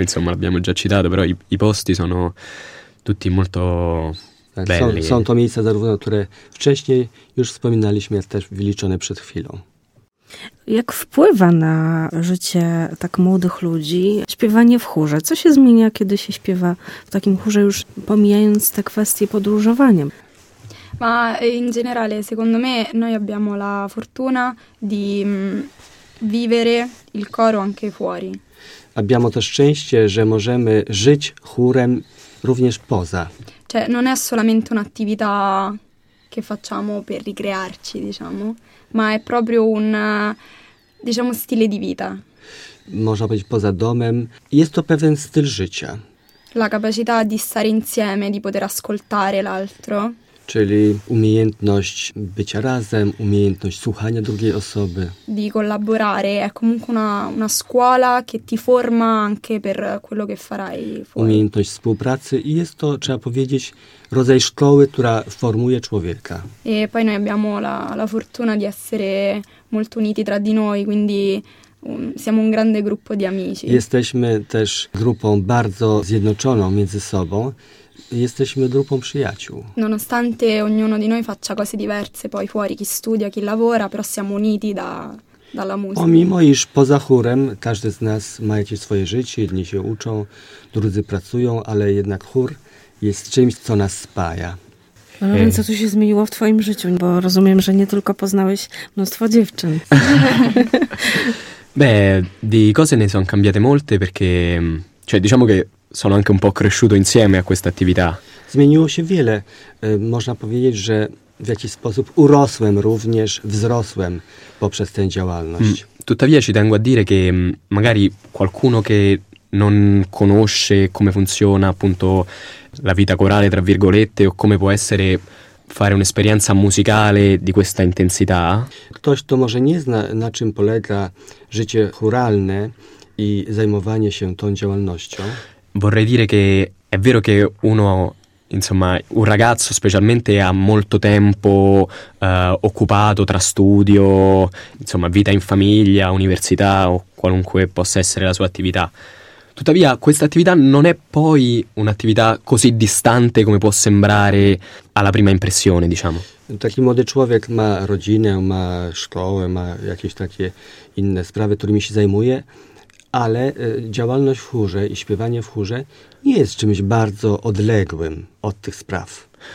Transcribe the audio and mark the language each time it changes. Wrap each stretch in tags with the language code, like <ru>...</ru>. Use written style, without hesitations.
<it>insomma l'abbiamo già citato, però i posti sono tutti molto...</it> <pl>Są to miejsca zarówno, które wcześniej już wspominaliśmy, jak też wyliczone przed chwilą. Jak wpływa na życie tak młodych ludzi śpiewanie w chórze? Co się zmienia, kiedy się śpiewa w takim chórze, już pomijając te kwestie podróżowania?</pl> <it>Ma in generale, secondo me, noi abbiamo la fortuna di vivere il coro anche fuori. Abbiamo</it> <pl>to szczęście, że możemy żyć chórem również poza.</pl> <it>Cioè, non è solamente un'attività che facciamo per ricrearci, diciamo, ma è proprio un, diciamo, stile di vita.</it> <pl>Można powiedzieć poza domem. Jest to pewien styl życia.</pl> <it>La capacità di stare insieme, di poter ascoltare l'altro.</it> <pl>Czyli umiejętność bycia razem, umiejętność słuchania drugiej osoby.</pl> <it>Di collaborare, è comunque una scuola che ti forma anche per quello che farai.</it> <pl>Umiejętność współpracy i jest to, trzeba powiedzieć, rodzaj szkoły, która formuje człowieka.</pl> <it>E poi noi abbiamo la fortuna di essere molto uniti tra di noi, quindi siamo un grande gruppo di amici.</it> <pl>Jesteśmy też grupą bardzo zjednoczoną między sobą. Jesteśmy grupą przyjaciół.</pl> <it>Nonostante ognuno di noi faccia cose diverse poi fuori, chi studia, chi lavora, però siamo uniti dalla</it> <pl>muzyka. Pomimo, iż poza chórem każdy z nas ma jakieś swoje życie, jedni się uczą, drudzy pracują, ale jednak chór jest czymś, co nas spaja. No więc co tu się zmieniło w twoim życiu? Bo rozumiem, że nie tylko poznałeś mnóstwo dziewczyn.</pl> <it>Beh, di cose ne sono cambiate molte, perché, cioè diciamo che sono anche un po' cresciuto insieme a questa attività.</it> <pl>Zmieniło się wiele. Można powiedzieć, że w jakiś sposób urosłem również, wzrosłem poprzez tę działalność.</pl> <it>Tuttavia ci tengo a dire che magari qualcuno che non conosce come funziona appunto la vita corale, tra virgolette, o come può essere fare un'esperienza musicale di questa intensità.</it> <pl>Ktoś, kto może nie zna, na czym polega życie choralne i zajmowanie się tą działalnością.</pl> <it>Vorrei dire che è vero che uno, insomma, un ragazzo specialmente ha molto tempo occupato tra studio, insomma, vita in famiglia, università o qualunque possa essere la sua attività. Tuttavia, questa attività non è poi un'attività così distante come può sembrare alla prima impressione, diciamo.</it> <pl>Taki młody człowiek ma rodzinę, ma szkołę, ma jakieś takie inne sprawy, którymi się zajmuje. Ale działalność w chórze i śpiewanie w chórze nie jest czymś bardzo odległym od tych spraw.</pl>